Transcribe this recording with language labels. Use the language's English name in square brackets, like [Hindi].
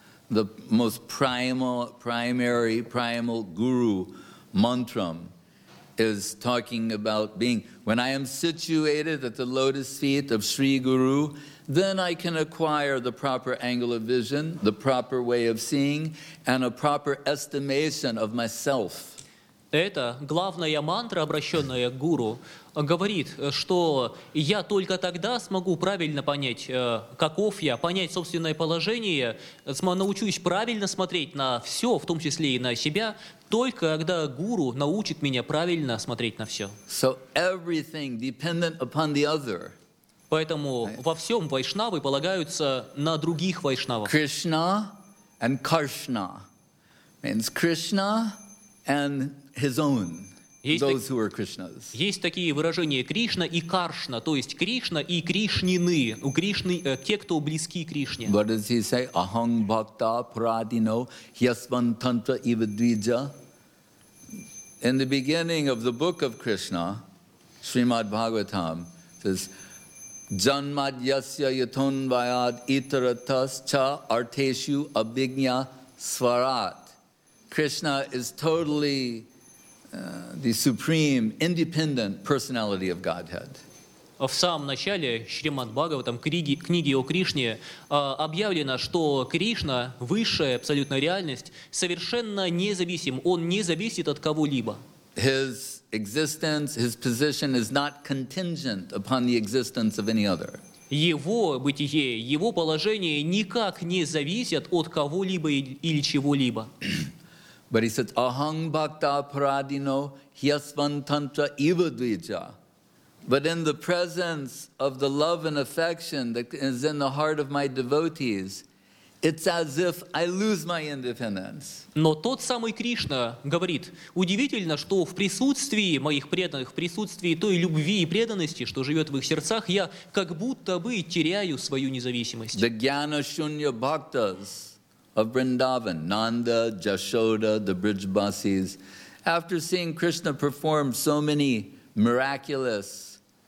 [English] The most primal guru mantram is talking about being, when I am situated at the lotus feet of Sri Guru, then I can acquire the proper angle of vision, the proper way of seeing, and a proper estimation of myself. [Russian] Это главная мантра, обращенная к гуру, говорит, что я только тогда смогу правильно понять, каков я, понять собственное положение, научусь правильно смотреть на все, в том числе и на себя, только когда гуру научит меня правильно смотреть на все. [English] So everything dependent upon the other. [Russian] Поэтому во всем вайшнавы полагаются на других вайшнавов. [English] Krishna and Karshna means Krishna and his own, those who are Krishna's. [Russian] Есть такие выражения Кришна и Каршна, то есть Кришна и Кришнины, у Кришны, те, кто близки к Кришне. [English] What does he say? [Sanskrit] Ahang bhakta pradino yasvantanta ivadvija. [English] In the beginning of the book of Krishna, Srimad Bhagavatam says, [Sanskrit] janmadyasya yatonvayad itaratascha arteshu abhignya svarat. [English] Krishna is totally the supreme, independent personality of Godhead. [Russian] В самом начале Шримад Бхагаватам, книги о Кришне, объявлено, что Кришна, высшая абсолютная реальность, совершенно независим, он не зависит от кого-либо. [English] His existence, his position is not contingent upon the existence of any other. [Russian] Его бытие, его положение никак не зависят от кого-либо или чего-либо. [English] But he says, [Sanskrit] Ahang bhakta paradino hyasvantantra ivadvija. [English] But in the presence of the love and affection that is in the heart of my devotees, it's as if I lose my independence. [Russian] Но тот самый Кришна говорит, удивительно, что в присутствии моих преданных, в присутствии той любви и преданности, что живет в их сердцах, я как будто бы теряю свою независимость. [English] The jnana-shunya bhaktas of Vrindavan, Nanda, Jashoda, the Brijbasis, after seeing Krishna perform so many miraculous,